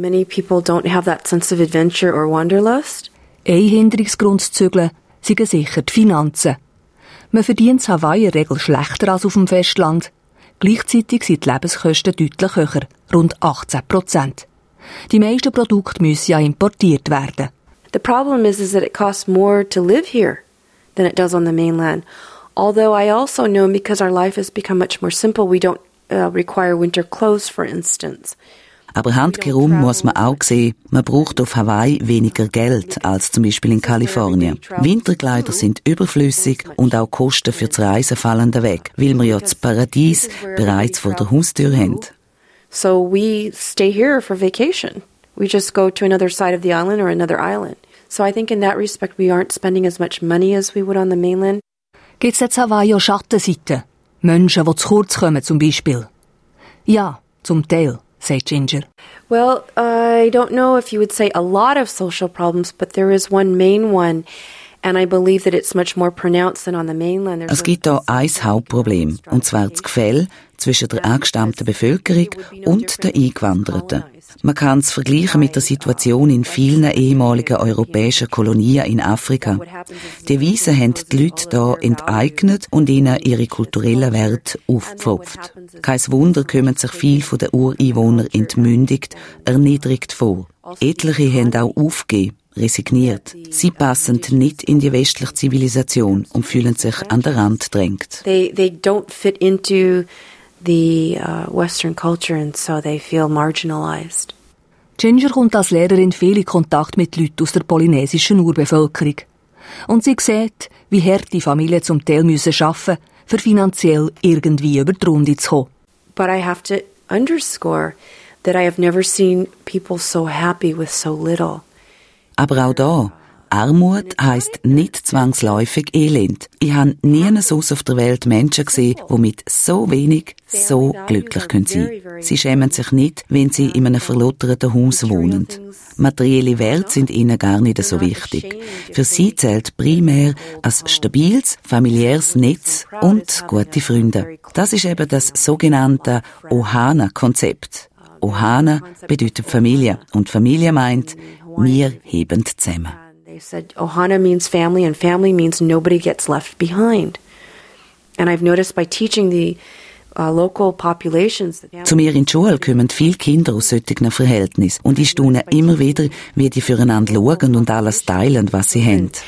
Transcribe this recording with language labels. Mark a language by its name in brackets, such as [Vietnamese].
[English] Many people don't have that sense of adventure or wanderlust. [German] Ein Hinderungsgrund zu zügeln, sind sicher die Finanzen. Man verdient in Hawaii in Regel schlechter als auf dem Festland. Gleichzeitig sind die Lebenskosten deutlich höher, rund 18%. Die meisten Produkte müssen ja importiert werden. [English] The problem is that it costs more to live here than it does on the mainland. Although I also know because our life has become much more simple, we don't require winter clothes, for instance. [German] Aber handgerum muss man auch sehen, man braucht auf Hawaii weniger Geld als zum Beispiel in Kalifornien. Winterkleider sind überflüssig und auch Kosten für das Reisen fallen weg, weil wir ja das Paradies bereits vor der Haustür haben. [English] So we stay here for vacation. We just go to another side of the island or another island. So I think in that respect we aren't spending as much money as we would on the mainland. [German] Gibt es jetzt Hawaii auch Schattenseiten? Menschen, die zu kurz kommen zum Beispiel? Ja, zum Teil, sagt Ginger. [English] Well, I don't know if you would say a lot of social problems, but there is one main one. And I believe that it's much more pronounced than on the mainland. [German] Es gibt da ein Hauptproblem, und zwar das Gefälle zwischen der angestammten Bevölkerung und den Eingewanderten. Man kann es vergleichen mit der Situation in vielen ehemaligen europäischen Kolonien in Afrika. Die Weisen haben die Leute hier enteignet und ihnen ihre kulturellen Werte aufgepfropft. Kein Wunder kommen sich viele von den Ureinwohnern entmündigt, erniedrigt vor. Etliche haben auch aufgegeben. Resigniert. Sie passen nicht in die westliche Zivilisation und fühlen sich an den Rand gedrängt. [English] They don't fit into the Western culture and so they feel marginalized. [German] Ginger kommt als Lehrerin viel in Kontakt mit Leuten aus der polynesischen Urbevölkerung. Und sie sieht, wie hart die Familien zum Teil müssen arbeiten, für finanziell irgendwie über die Runde zu kommen. [English] But I have to underscore that I have never seen people so happy with so little. [German] Aber auch da, Armut heisst nicht zwangsläufig Elend. Ich habe nie sonst auf der Welt Menschen gesehen, die mit so wenig so glücklich sein können. Sie schämen sich nicht, wenn sie in einem verlotterten Haus wohnen. Materielle Werte sind ihnen gar nicht so wichtig. Für sie zählt primär ein stabiles, familiäres Netz und gute Freunde. Das ist eben das sogenannte Ohana-Konzept. Ohana bedeutet Familie und Familie meint, wir heben zusammen. [English] They said Ohana means family and family means nobody gets left behind. And I've noticed by teaching the local populations. [German] Zu mir in die Schule kommen viele Kinder aus solchen Verhältnissen und ich staune immer wieder, wie die füreinander schauen und alles teilen, was sie haben.